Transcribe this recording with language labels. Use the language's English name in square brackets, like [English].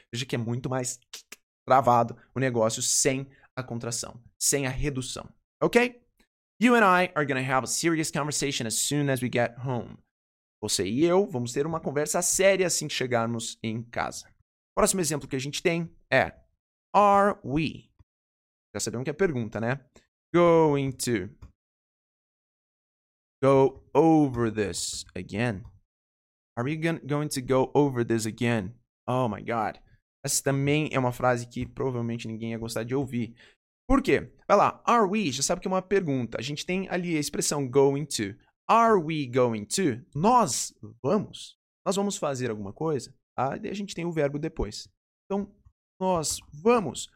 [Portuguese] Veja que é muito mais travado o negócio sem a contração, sem a redução, ok? [English] You and I are going to have a serious conversation as soon as we get home. [Portuguese] Você e eu vamos ter uma conversa séria assim que chegarmos em casa. Próximo exemplo que a gente tem é are we? Já sabemos que é pergunta, né? [English] Going to go over this again. Are we going to go over this again? Oh my God. [Portuguese] Essa também é uma frase que provavelmente ninguém ia gostar de ouvir. Por quê? Vai lá, are we? Já sabe que é uma pergunta. A gente tem ali a expressão going to. [English] Are we going to? [Portuguese] Nós vamos? Nós vamos fazer alguma coisa? Aí a gente tem o verbo depois. Então, nós vamos.